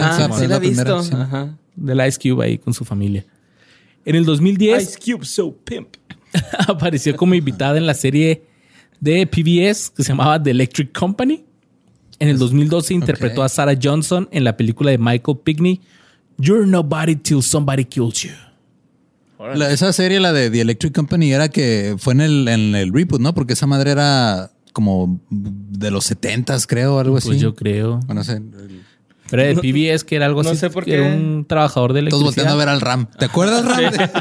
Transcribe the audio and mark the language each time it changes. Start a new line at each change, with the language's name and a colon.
Spanish: Ah, sí la he visto. Ajá. De la Ice Cube ahí con su familia. En el 2010... Ice Cube So Pimp. Apareció como invitada en la serie de PBS que se llamaba The Electric Company. En el 2012 interpretó a Sarah Johnson en la película de Michael Pinckney,
English: You're nobody till somebody kills you.
Spanish: La, esa serie, la de The Electric Company, era que fue en el reboot, ¿no? Porque esa madre era como de los 70s, creo, algo pues así. Pues yo creo. Bueno, sé. Pero de PBS, que era algo no así. No sé por qué. Era un trabajador de electricidad. Todos volteando a ver al Ram. ¿Te acuerdas, Ram? Sí.